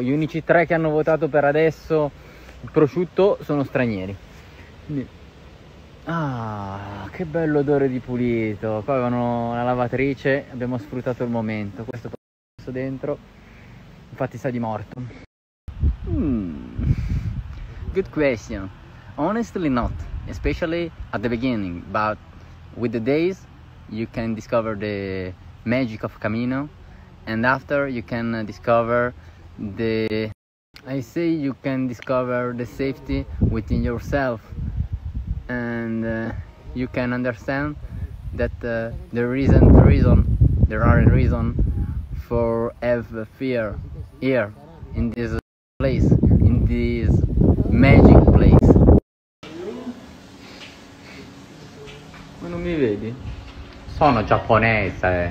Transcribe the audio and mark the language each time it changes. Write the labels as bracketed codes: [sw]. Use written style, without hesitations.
[it] Gli unici tre che hanno votato per adesso il prosciutto sono stranieri. Ah, che bello odore di pulito. Qua avevano la lavatrice, abbiamo sfruttato il momento. Questo qua è messo dentro, infatti sa di morto. [en] Good question. Honestly not, especially at the beginning, but with the days you can discover the magic of Camino. And after you can discover the, I say you can discover the safety within yourself, and you can understand that there are a reason for have fear here in this place, in this magic place. [it] Ma non mi vedi? Sono giapponese.